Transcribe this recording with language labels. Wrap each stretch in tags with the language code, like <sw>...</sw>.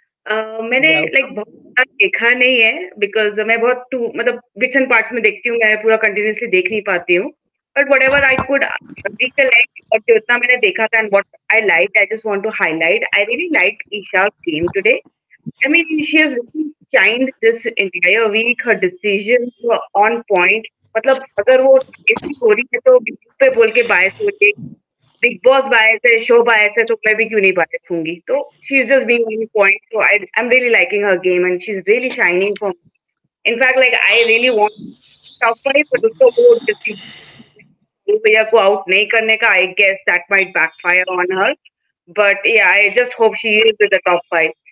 <hi>मैंने लाइक बहुत देखा नहीं है बिकॉज मैं बहुत टू मतलब बिट्स एंड पार्ट्स में देखती हूँ, मैं पूरा कंटिन्यूसली देख नहीं पाती हूँ,</hi> <en>but whatever I could recollect</en> <hi>और जो इतना मैंने देखा था</hi> <en>and what I liked, I just want to highlight, I really liked Isha's game today. I mean, she has really shined this entire week, her decisions were on point.</en> <hi>मतलब अगर वो ऐसी हो रही है तो बिग पे बोल के बायस हो जाए, बिग बॉस बायस है, शो बायस है, तो मैं भी क्यों नहीं बायस होंगी, तो</hi> <en>she is just being on point, so I'm really liking her game and she's really shining for me. In fact, like I really want top five, but</en> <hi>उसको वो decision भैया को आउट नहीं करने का,</hi> <en>I guess that might backfire on her, but yeah I just hope she is in the top five.</en>